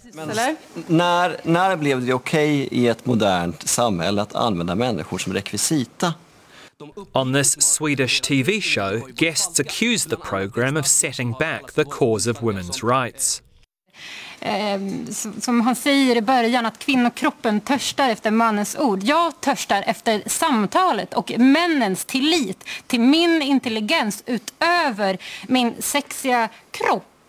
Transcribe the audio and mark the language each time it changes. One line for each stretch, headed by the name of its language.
Swedish: När blev det okej i ett modernt samhälle att använda människor som rekvisita?
English: On this Swedish TV show, guests accused the program of setting back the cause of women's rights.
Swedish: som han säger i början, att kvinnokroppen törstar efter mannens ord. Jag törstar efter samtalet och männens tillit till min intelligens utöver min sexiga kropp.